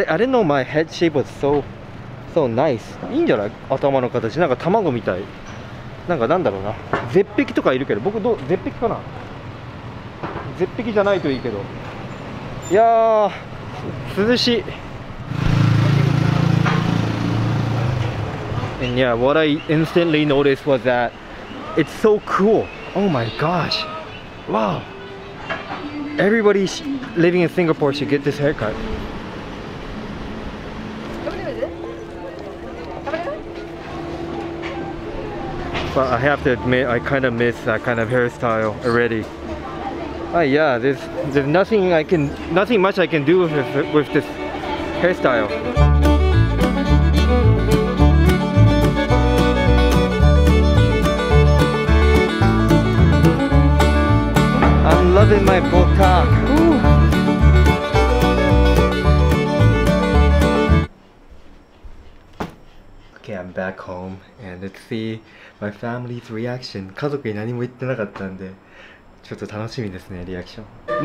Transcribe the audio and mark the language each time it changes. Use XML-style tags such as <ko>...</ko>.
<en>I didn't know my head shape was so nice.</en> <ja>いいんじゃない? 頭の形、なんか卵みたい。なんかなんだろうな、絶壁とかいるけど、僕どう、絶壁かな。絶壁じゃないといいけど、いやー涼しい。</ja> <en>And yeah, what I instantly noticed was that it's so cool. Oh my gosh. Wow. Everybody living in Singapore should get this haircut. But I have to admit, I kind of miss that kind of hairstyle already. Yeah, there's nothing much I can do with this hairstyle. I'm loving my Botak. Okay, I'm back home and let's see my family's reaction.</en> <ja>家族に何も言ってなかったんで、ちょっと楽しみですね、リアクション。</ja>